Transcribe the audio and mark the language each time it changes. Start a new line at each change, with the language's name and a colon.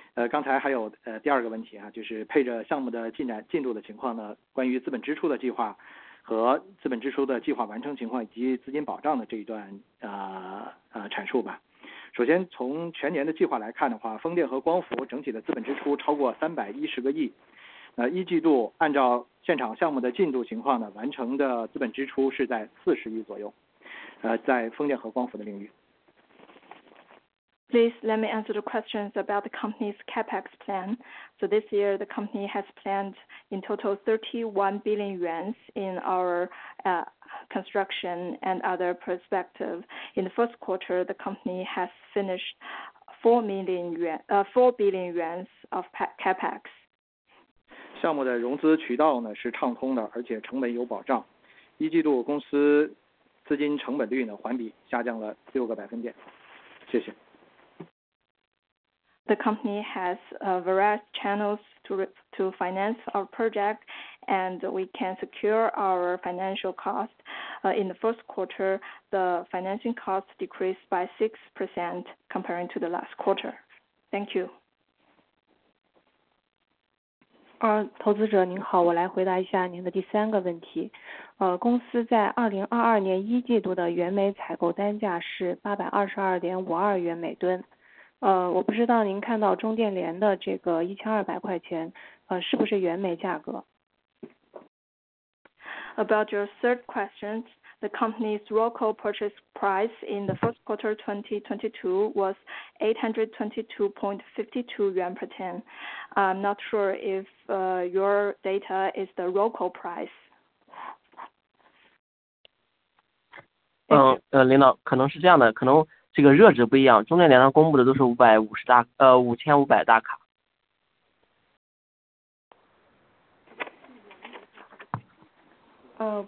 Chinese: 刚才还有第二个问题啊，就是配着项目的进度的情况呢，关于资本支出的计划和资本支出的计划完成情况以及资金保障的这一段阐述吧。首先从全年的计划来看的话，风电和光伏整体的资本支出超过310个亿，一季度按照现场项目的进度情况呢，完成的资本支出是在40亿左右，在风电和光伏的领域。
English: Please let me answer the questions about the company's CapEx plan. So this year, the company has planned in total 31 billion yuan in our construction and other perspective. In the first quarter, the company has finished 4 billion yuan of CapEx.
Chinese: 项目的融资渠道呢是畅通的，而且成本有保障。一季度公司资金成本率呢环比下降了6个百分点。谢谢。
English: The company has various channels to finance our project, and we can secure our financial cost. In the first quarter, the financing cost decreased by 6% comparing to the last quarter. Thank you.
Chinese: 投资者您好，我来回答一下您的第三个问题。公司在2022年一季度的原煤采购单价是822.52元每吨。我不知道您看到中电联的这个1200块钱，是不是原煤价格
English: ？About your third question, the company's raw coal purchase price in the first quarter 2022 was 822.52 yuan per ton. I'm not sure if your data is the raw coal price.
Chinese: 领导，可能是这样的，可能。这个热值不一样，中电联它公布的都是5500大卡。